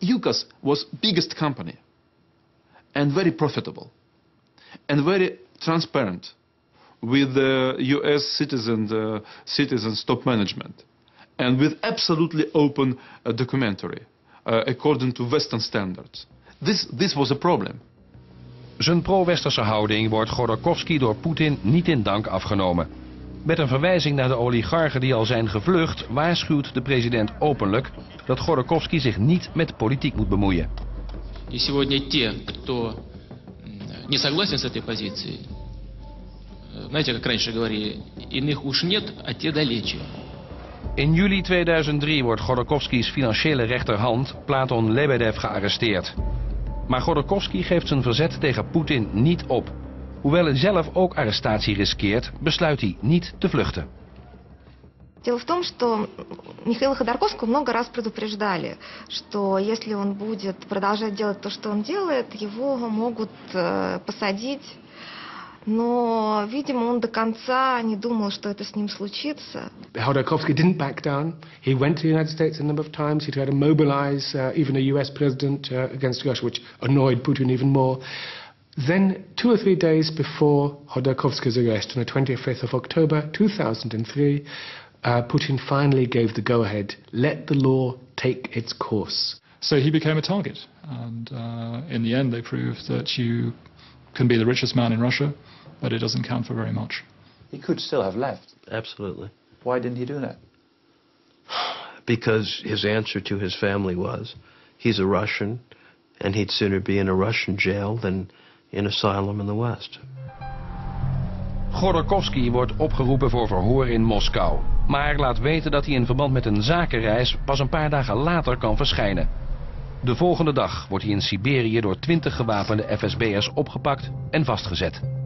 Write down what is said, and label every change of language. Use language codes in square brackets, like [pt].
[en] UKAS was biggest company and very profitable and very transparent with the US citizens top management and with absolutely open documentary according to Western standards. This was a problem. [nl] Zijn pro-westerse houding wordt Khodorkovsky door Poetin niet in dank afgenomen. Met een verwijzing naar de oligarchen die al zijn gevlucht, waarschuwt de president openlijk dat Khodorkovsky zich niet met politiek moet bemoeien. [ru] И сегодня те, кто не согласен с этой позицией, знаете, как раньше говорили, иных уж нет, а те далече. [nl] In juli 2003 wordt Khodorkovsky's financiële rechterhand, Platon Lebedev, gearresteerd. Maar Khodorkovsky geeft zijn verzet tegen Poetin niet op. Hoewel hij zelf ook arrestatie riskeert, besluit hij niet te vluchten. [ru] Дело в том, что Михаила Ходорковского много раз предупреждали, что если он будет продолжать делать то, что он делает, его могут посадить. Но, видимо, он до конца не думал, что это с ним случится. [en] Ходорковский didn't back down. He went to the United States a number of times. He tried to mobilize even a US president against Russia, which annoyed Putin even more. Then, two or three days before Ходорковский's arrest, on the 25th of October 2003, Putin finally gave the go-ahead, let the law take its course. So he became a target, and in the end they proved that you can be the richest man in Russia, but it doesn't count for very much. He could still have left. Absolutely. Why didn't he do that? Because his answer to his family was, he's a Russian, and he'd sooner be in a Russian jail than in asylum in the West. [nl] Khodorkovsky wordt opgeroepen voor verhoor in Moskou, maar laat weten dat hij in verband met een zakenreis pas een paar dagen later kan verschijnen. De volgende dag wordt hij in Siberië door 20 gewapende FSB'ers opgepakt en vastgezet.